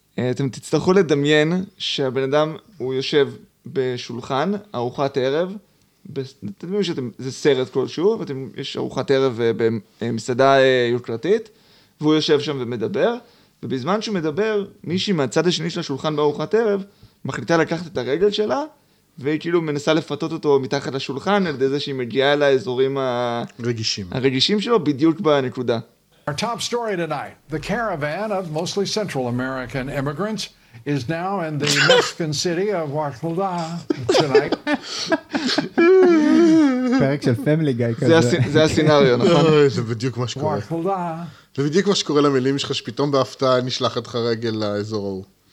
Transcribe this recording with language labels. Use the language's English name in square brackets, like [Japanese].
[Hebrew] אתם תצטרכו לדמיין שהבן אדם, הוא יושב... בשולחן, ארוחת ערב, תדמיינו שזה סרט כלשהו, ויש ארוחת ערב במסעדה יוקרתית, והוא יושב שם ומדבר, ובזמן שהוא מדבר, מישהי מהצד השני של השולחן בארוחת ערב, מחליטה לקחת את הרגל שלה, והיא כאילו מנסה לפתות אותו מתחת לשולחן, על ידי זה שהיא מגיעה אל האזורים הרגישים שלו, בדיוק בנקודה. [English] Our top story tonight, the caravan of mostly Central American immigrants, is now in the Mexican city of Oaxaca tonight. [Hebrew] פרק של Family Guy כזה. זה הסינריו, נכון? זה בדיוק מה שקורה. זה בדיוק מה שקורה למילים שלך, שפתאום בהפתעה נשלחת לך רגל לאזור ההוא.